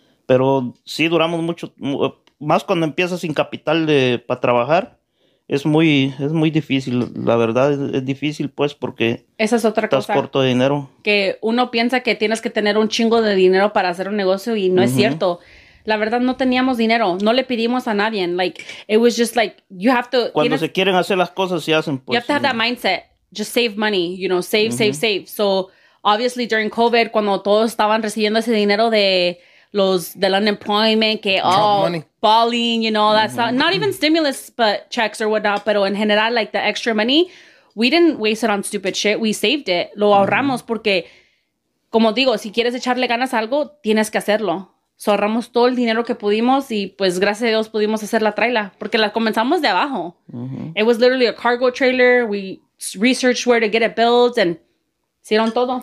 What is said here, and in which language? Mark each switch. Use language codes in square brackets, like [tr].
[es] Pero sí duramos mucho, más cuando empiezas sin capital para trabajar, es muy difícil, la verdad, es difícil, pues, porque esa es otra estás cosa, corto de dinero. Que uno piensa que tienes que tener un chingo de dinero para hacer un negocio y no es cierto. La verdad, no teníamos dinero. No le pedimos a nadie. [en] Like, it was just like, you have to... [es] Cuando se quieren hacer las cosas, se hacen, pues. [en] You have to have that mindset. Just save money, you know, save, save, save. So, obviously, during COVID, [es] cuando todos estaban recibiendo ese dinero de los del unemployment, que, [en] balling, you know, that stuff. Not even stimulus, but checks or whatnot, [es] pero en general, [en] like, the extra money, we didn't waste it on stupid shit, we saved it. [es] Lo ahorramos porque, como digo, si quieres echarle ganas a algo, tienes que hacerlo. So, ahorramos todo el dinero que pudimos y, pues, gracias a Dios, pudimos hacer la traila, porque la comenzamos de abajo. [en] It was literally a cargo trailer, we... Research where to get it built and [es] hicieron todo.